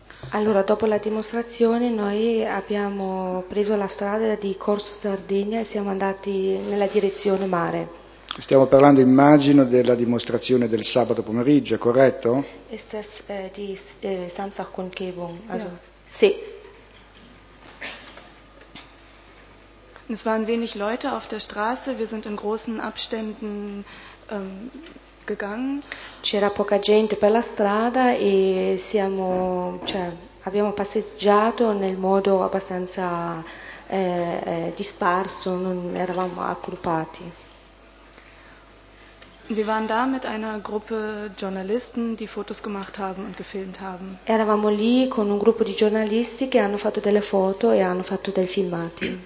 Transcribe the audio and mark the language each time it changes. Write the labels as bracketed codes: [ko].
[it] Allora, dopo la dimostrazione, noi abbiamo preso la strada di Corso Sardegna e siamo andati nella direzione mare. Stiamo parlando, immagino, della dimostrazione del sabato pomeriggio, corretto? [de] Ist das die Samstagkundgebung? Also, ja. [it] Sì. [de] Es waren wenig Leute auf der Straße, wir sind in großen Abständen gegangen. [it] C'era poca gente per la strada e siamo, cioè, abbiamo passeggiato nel modo abbastanza disperso, non eravamo aggruppati. [de] Wir waren da mit einer Gruppe Journalisten, die Fotos gemacht haben und gefilmt haben. [it] Eravamo lì con un gruppo di giornalisti che hanno fatto delle foto e hanno fatto dei filmati.